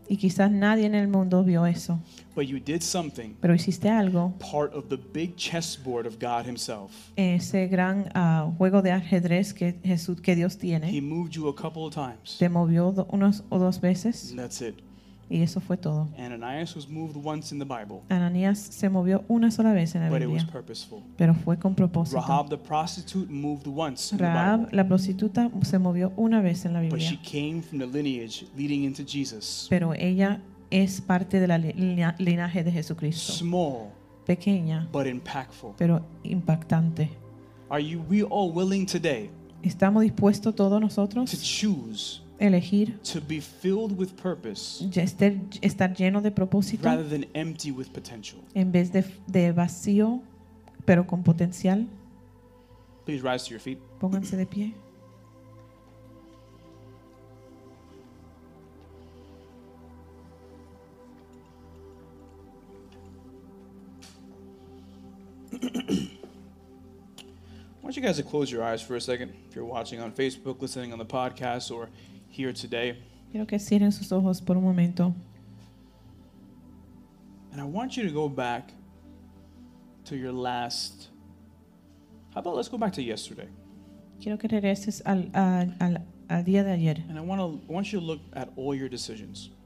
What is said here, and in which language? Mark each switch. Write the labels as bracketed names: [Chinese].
[Spanish] Y quizás nadie en el mundo vio eso. [English] But you did something. [Spanish] Pero hiciste algo. [English] Part of the big chessboard of God Himself. [Spanish] Ese gran juego de ajedrez que Jesús que Dios tiene. [English] He moved you a couple of times. [Spanish] Te movió unas o dos veces. [English] And that's it. [Spanish] Y eso fue todo. [English] Ananias was moved once in the Bible. [Spanish] Ananias se movió una sola vez en la [English] but [Spanish] Biblia. [English] But it was purposeful. [Spanish] Pero fue con propósito. [English] Rahab the prostitute moved once [Spanish] Rahab, [English] in the Bible. [Spanish] La prostituta se movió una vez en la Biblia. [English] But she came from the lineage leading into Jesus. [Spanish] Pero ella es parte de la linaje de Jesucristo. [English] Small. [Spanish] Pequeña. [English] But impactful. [Spanish] Pero impactante. [English] Are you we all willing today? [Spanish] ¿Estamos dispuestos todos nosotros? [English] To choose. [Spanish] Elegir [English] to be filled with purpose [Spanish] estar lleno de propósito [English] rather than empty with potential. [Spanish] En vez de vacío, pero con potencial. [English] Please rise to your feet. [Spanish] Pónganse de pie. [English] I want you guys to close your eyes for a second if you're watching on Facebook, listening on the podcast, or here today. [Spanish] Quiero que cierren sus ojos por un momento. [English] And I want you to go back to your last. How about let's go back to yesterday? [Spanish] Quiero que regreses al día de ayer. [English] And I want you to look at all your decisions.